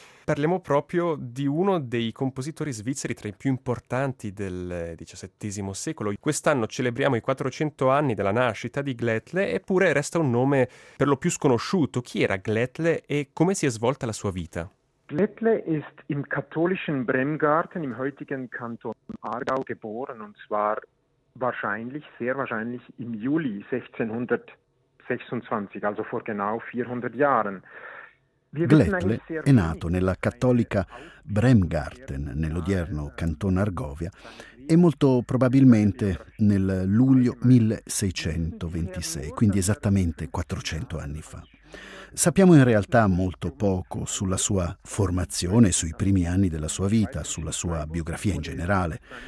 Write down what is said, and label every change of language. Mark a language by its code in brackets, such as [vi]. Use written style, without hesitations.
[it] Parliamo proprio di uno dei compositori svizzeri tra i più importanti del XVII secolo. Quest'anno celebriamo i 400 anni della nascita di Glättle, eppure resta un nome per lo più sconosciuto. Chi era Glättle e come si è svolta la sua vita? [de] Glättle ist im katholischen Bremgarten im heutigen Kanton Aargau geboren, und zwar wahrscheinlich, sehr wahrscheinlich im Juli 1626, also vor genau 400 Jahren. [it] Glättle è nato nella cattolica Bremgarten, nell'odierno Canton Argovia, e molto probabilmente nel luglio 1626, quindi esattamente 400 anni fa. Sappiamo in realtà molto poco sulla sua formazione, sui primi anni della sua vita, sulla sua biografia in generale.